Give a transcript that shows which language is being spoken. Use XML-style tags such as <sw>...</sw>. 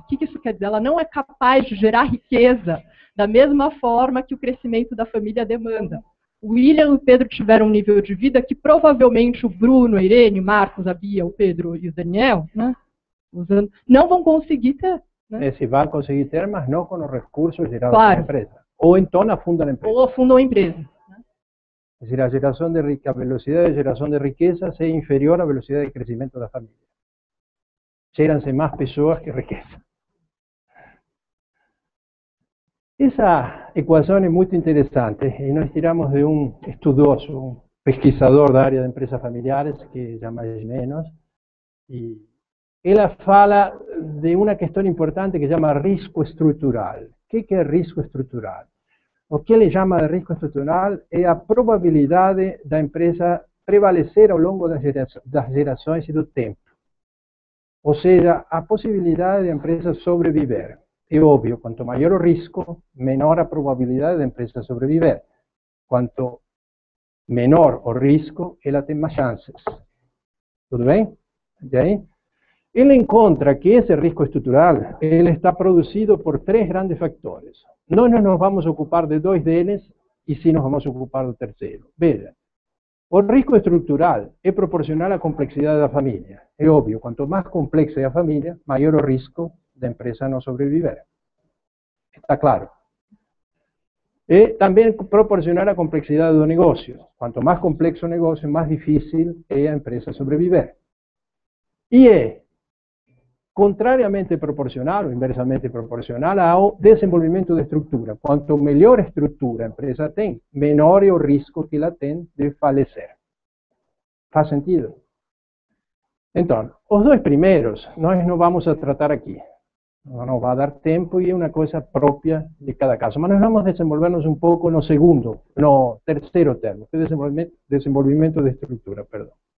<pt>O que isso quer dizer? Ela não é capaz de gerar riqueza da mesma forma que o crescimento da família demanda. O William e o Pedro tiveram um nível de vida que provavelmente o Bruno, a Irene, o Marcos, a Bia, o Pedro e o Daniel, né, usando, não vão conseguir ter. Né? Se vão conseguir ter, mas não com os recursos gerados pela empresa. Ou então afundam a empresa. Ou afundam a empresa.</pt> <es>Es decir, la velocidad de generación de riqueza es inferior a la velocidad de crecimiento de la familia. Geranse más personas que riqueza. Esa ecuación es muy interesante y nos tiramos de un estudioso, un pesquisador de área de empresas familiares, que ya más o menos, y él habla de una cuestión importante que se llama riesgo estructural. ¿Qué es riesgo estructural?</es> <pt>O que ele chama de risco estrutural é a probabilidade da empresa prevalecer ao longo das gerações e do tempo. Ou seja, a possibilidade da empresa sobreviver. É óbvio, quanto maior o risco, menor a probabilidade da empresa sobreviver. Quanto menor o risco, ela tem mais chances. Tudo bem? E aí? Ele encontra que esse risco estrutural ele está produzido por três grandes fatores.</pt> <es>No nos vamos a ocupar de dos deles y sí nos vamos a ocupar del tercero. Veja, el riesgo estructural es proporcional a la complejidad de la familia. Es obvio, cuanto más compleja es la familia, mayor el riesgo de la empresa no sobrevivir. Está claro. Es también proporcional a la complejidad del negocio. Cuanto más complejo el negocio, más difícil es la empresa sobrevivir. Y es contrariamente proporcional o inversamente proporcional</es> <pt>ao desenvolvimento de estrutura. Quanto melhor estrutura a empresa tem, menor é o risco que ela tem de falecer. Faz sentido?</pt> <es>Entonces, los dos primeros, nosotros no vamos a tratar aquí. No nos va a dar tiempo y es una cosa propia de cada caso. Pero nos vamos a desenvolvernos un poco en el segundo, no, tercero término, que es desenvolvimiento de estructura, perdón.</es>